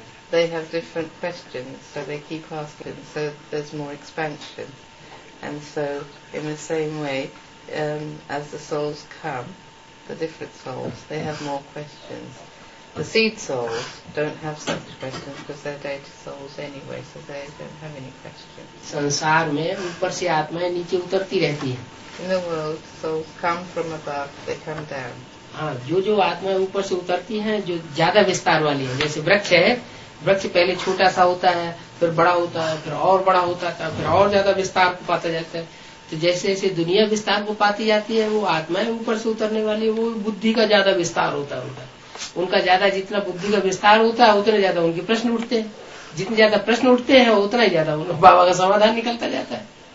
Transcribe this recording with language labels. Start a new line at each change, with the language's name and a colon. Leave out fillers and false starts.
English: They have different questions, so they keep asking, so there's more expansion. And so, in the same way, as the souls come, the different souls, they have more questions. The seed souls don't have such questions because they're data souls anyway, so they don't have any questions.
Hindi: संसार में ऊपर से आत्माएं नीचे उतरती रहती हैं।
English: In the world, souls come from above, they come down.
Hindi: हाँ, जो जो आत्माएं ऊपर से उतरती हैं, जो ज्यादा विस्तार वाली हैं, जैसे वृक्ष है, वृक्ष पहले छोटा सा होता है, फिर बड़ा होता है, फिर और बड़ा होता है, फिर और ज्यादा विस्तार को पाता जाता है। तो जैसे जैसे दुनिया विस्तार को पाती जाती है, वो आत्माएं ऊपर से उतरने वाली है, वो बुद्धि का ज्यादा विस्तार होता है उनका, उनका ज्यादा जितना बुद्धि का विस्तार होता है उतने ज्यादा उनके प्रश्न उठते हैं, जितने ज्यादा प्रश्न उठते हैं उतना ही ज्यादा बाबा का समाधान निकलता जाता है।